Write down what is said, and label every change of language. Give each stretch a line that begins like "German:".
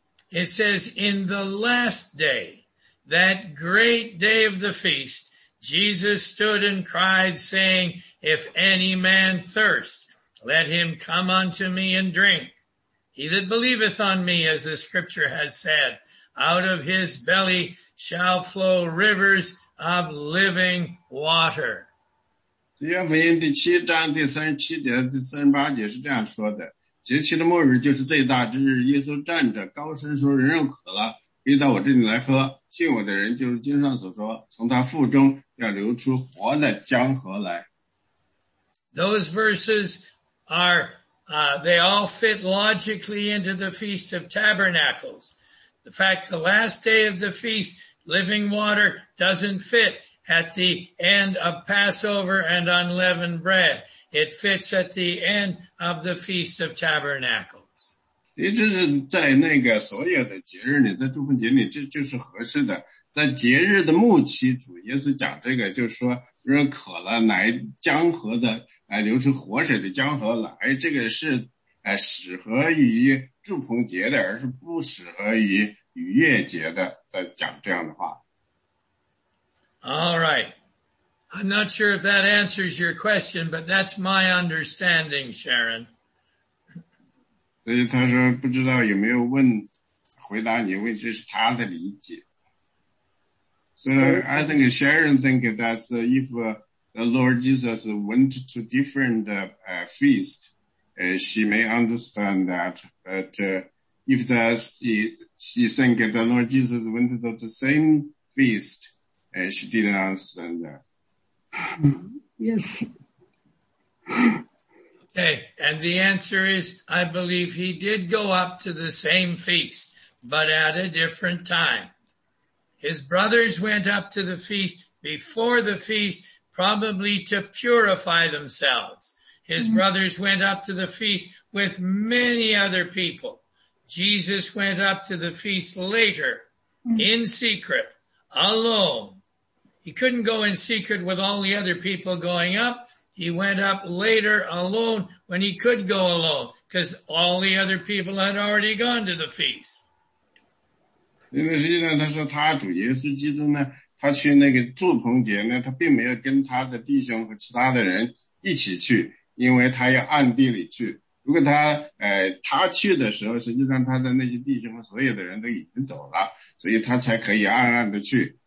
English: It says, in the last day, that great day of the feast, Jesus stood and cried, saying, if any man thirst, let him come unto me and drink. He that believeth on me, as the scripture has said, out of his belly shall flow rivers of living water.
Chinese: 约翰福音第七章第三十七节第三十八节是这样说的，节期的末日就是最大之日，耶稣站着高声说，人若渴了，可以到我这里来喝，信我的人就是经上所说，从他腹中要流出活的江河来。
English: Those verses are, they all fit logically into the Feast of Tabernacles. The fact the last day of the feast, living water doesn't fit at the end of Passover and unleavened bread. It fits at the end of the Feast of Tabernacles.
Chinese: 也就是在那个所有的节日里，在祝棚节里，这就是合适的。在节日的末期，主耶稣讲这个，就是说，若渴了，乃江河的流出活水的江河来，这个是适合于祝棚节的，而是不适合于逾越节的。在讲这样的话。
English: All right, I'm not sure if that answers your question, but that's my understanding, Sharon.
Chinese: 所以他说不知道有没有问回答你，因为这是他的理解。
English: So I think Sharon think that if the Lord Jesus went to different feast, she may understand that. But if she think the Lord Jesus went to the same feast, she didn't understand that. Yes. Okay, and the answer is, I believe he did go up to the same feast, but at a different time. His brothers went up to the feast before the feast, probably to purify themselves. His mm-hmm. brothers went up to the feast with many other people. Jesus went up to the feast later, mm-hmm. in secret, alone. He couldn't go in secret with all the other people going up. He went up later alone when he could go alone, because all the other people had already gone to the feast.
Chinese: 因为实际上他说他主耶稣基督呢，他去那个祝棚节呢，他并没有跟他的弟兄和其他的人一起去，因为他要暗地里去。如果他去的时候，实际上他的那些弟兄和所有的人都已经走了，所以他才可以暗暗的去。